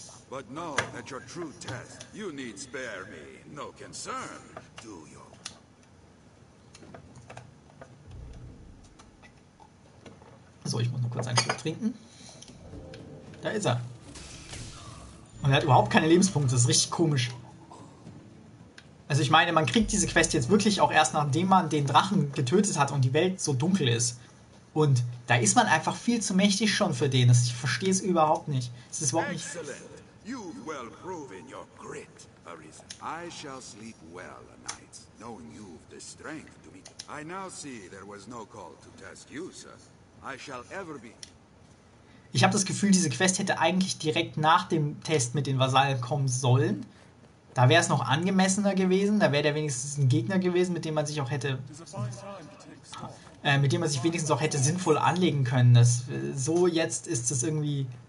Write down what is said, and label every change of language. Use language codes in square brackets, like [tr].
[en] But know that your true test, you need spare me no concern, do you? [de] So, ich muss nur kurz einen Schluck trinken. Da ist er. Und er hat überhaupt keine Lebenspunkte, das ist richtig komisch. Also ich meine, man kriegt diese Quest jetzt wirklich auch erst, nachdem man den Drachen getötet hat und die Welt so dunkel ist. Und da ist man einfach viel zu mächtig schon für den. Ich verstehe es überhaupt nicht. Es ist überhaupt nicht... Excellent. [en] You've well proven your grit, Arisa. I shall sleep well at night, knowing you've the strength to meet. I now see there was no call to test you, sir. I shall ever be... [de] Ich habe das Gefühl, diese Quest hätte eigentlich direkt nach dem Test mit den Vasallen kommen sollen. Da wäre es noch angemessener gewesen. Da wäre der wenigstens ein Gegner gewesen, mit dem man sich auch hätte... mit dem man sich wenigstens auch hätte sinnvoll anlegen können. Das, so jetzt ist es irgendwie...